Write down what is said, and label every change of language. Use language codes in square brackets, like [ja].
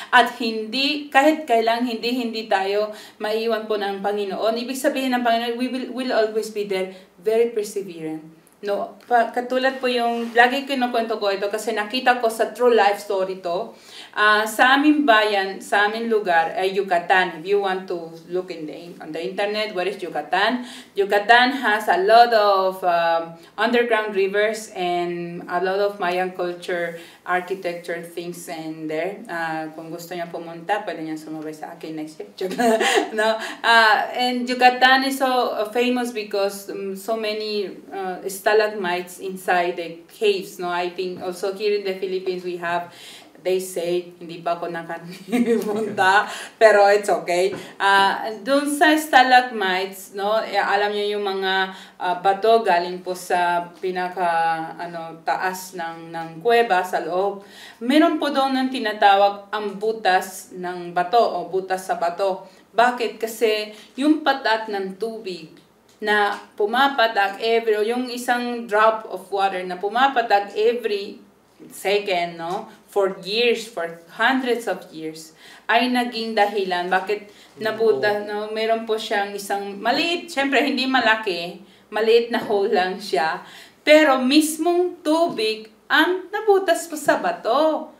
[tl] At hindi, kahit kailang hindi tayo maiwan po ng Panginoon. Ibig sabihin ng Panginoon, [en] we will always be there, very perseverant. [tl] No, katulad po yung lagi kinukwento ko ito kasi nakita ko sa true life story to. Sa aming bayan, sa aming lugar ay Yucatan. [en] If you want to look in the on the internet, what is Yucatan? Yucatan has a lot of underground rivers and a lot of Mayan culture, architecture things in there. [tl] Kung gusto niya pumunta, pwede niya sumabay sa akin next year. No? [en] And Yucatan is so famous because so many stalagmites inside the caves. No, I think also here in the Philippines we have, they say, [tl] hindi pa ako nakapunta, pero [en] it's okay. [tl] Doon sa stalagmites, no, alam niyo yung mga bato galing po sa pinaka ano taas ng kuweba sa loob. Meron po doon ang tinatawag ang butas ng bato o butas sa bato. Bakit? Kasi yung patak ng tubig na pumapatak every, o yung isang [en] drop of water [tl] na pumapatak every second, no, [en] for years, for hundreds of years, [tl] ay naging dahilan bakit nabuta, no, meron po siyang isang maliit, syempre hindi malaki, maliit na hole lang siya, pero mismong tubig ang nabutas po sa bato.